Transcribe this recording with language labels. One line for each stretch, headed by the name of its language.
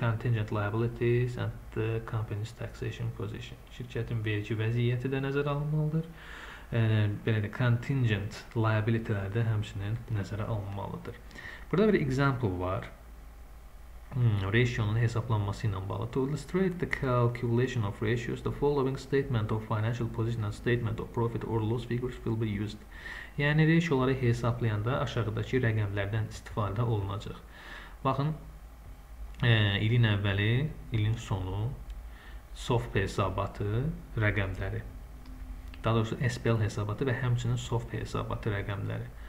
English: Contingent liabilities and the company's taxation position.
Azerbaijani: Şirkətin vergi vəziyyəti də nəzərə alınmalıdır. Belə də contingent liabilitylər də həmçinin nəzərə alınmalıdır. Burada bir example var. Ratio-nun hesablanması ilə bağlı.
English: To illustrate the calculation of ratios, the following statement of financial position and statement of profit or loss figures will be used.
Azerbaijani: Yəni, ratio-ları hesablayanda aşağıdakı rəqəmlərdən istifadə olunacaq. Baxın, ilin əvvəli, ilin sonu, SOFP hesabatı rəqəmləri. Daha doğrusu, SPL hesabatı və həmçinin SOFP hesabatı rəqəmləri.